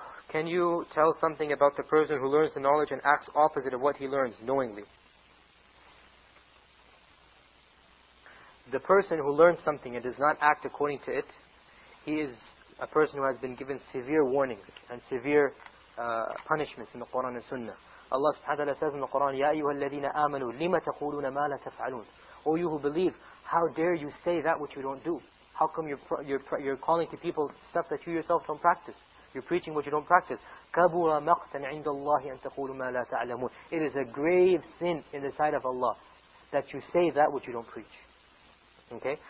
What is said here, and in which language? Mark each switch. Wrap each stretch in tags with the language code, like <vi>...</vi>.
<en>Can you tell something about the person who learns the knowledge and acts opposite of what he learns knowingly? The person who learns something and does not act according to it, he is a person who has been given severe warnings and severe punishments in the Quran and Sunnah. Allah subhanahu wa ta'ala says in the Quran,</en> <ar>يَا أَيُّهَا الَّذِينَ آمَنُوا لِمَ تَقُولُونَ مَا لَا تَفْعَلُونَ.</ar> <en>O you who believe, how dare you say that which you don't do? How come you're calling to people stuff that you yourself don't practice? You're preaching what you don't practice.</en> <ar>كَبُرَ مَقْتًا عِنْدَ اللَّهِ أَن تَقُولُ مَا لَا تَعْلَمُونَ.</ar> <en>It is a grave sin in the sight of Allah that you say that which you don't preach. Okay.</en>